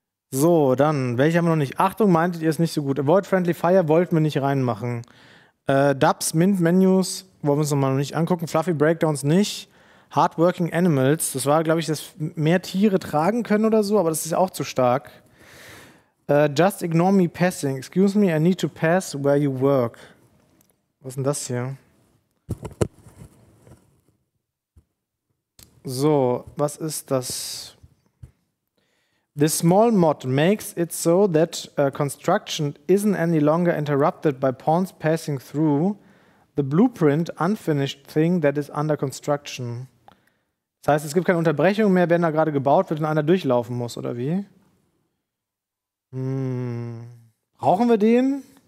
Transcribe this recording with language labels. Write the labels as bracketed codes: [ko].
[de] So, dann, welche haben wir noch nicht? Achtung, meintet ihr es nicht so gut? Avoid Friendly Fire wollten wir nicht reinmachen. Dubs, Mint Menus wollen wir uns nochmal noch nicht angucken. Fluffy Breakdowns nicht. Hardworking Animals, das war, glaube ich, dass mehr Tiere tragen können oder so, aber das ist ja auch zu stark. [en] Just ignore me passing. Excuse me, I need to pass where you work. [de] Was ist denn das hier? So, was ist das? [en] This small mod makes it so that construction isn't any longer interrupted by pawns passing through the blueprint unfinished thing that is under construction. [de] Das heißt, es gibt keine Unterbrechung mehr, wenn da gerade gebaut wird und einer durchlaufen muss, oder wie? Brauchen wir den?